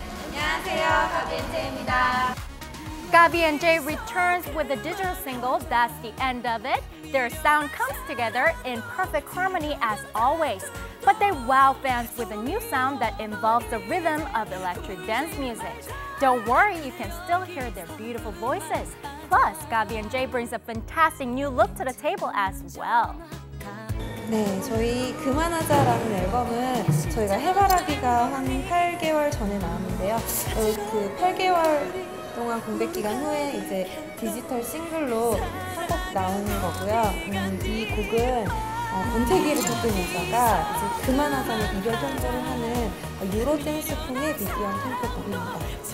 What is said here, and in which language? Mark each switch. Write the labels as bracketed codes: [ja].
[ko] 안녕하세요, 가비 앤 제이입니다. [en] 가비 앤 제이 returns with a digital single, That's the End of It. Their sound comes together in perfect harmony as always. But they wow fans with a new sound that involves the rhythm of electric dance music. Don't worry, you can still hear their beautiful voices. Plus, Gabi and Jay brings a fantastic new look to the table as well. [ko] 네, 저희 그만하자라는 앨범은 저희가 해바라기가 한 8개월 전에 나왔는데요. 그 8개월 동안 공백 기간 후에 이제 디지털 싱글로 한 곡 나온 거고요. 이 곡은 은퇴기를 겪은 여자가 이제 그만하자는 이별 선전을 하는 유로댄스풍의 비디오한 템포곡입니다.